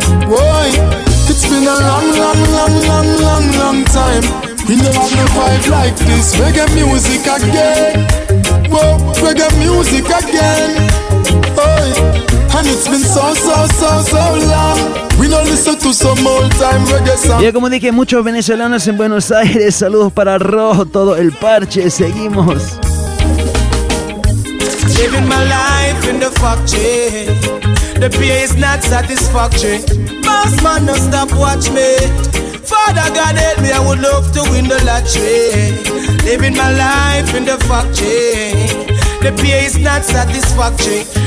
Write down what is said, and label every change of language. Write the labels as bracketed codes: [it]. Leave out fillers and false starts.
[en] Boy, it's been a long, long, long, long, long, long time. We don't have no vibe like this. Reggae music again. Whoa, reggae music again. Boy, and it's been so, so, so, so long. We don't listen to some old time reggae song. [es] Ya, como dije, muchos venezolanos en Buenos Aires. Saludos para Ro, todo el parche. Seguimos. [en] Living my life in the factory. The PA is not satisfactory. Boss man, no stop watch me. Father God help me, I would love to win the lottery. Living my life in the factory. The PA is not satisfactory.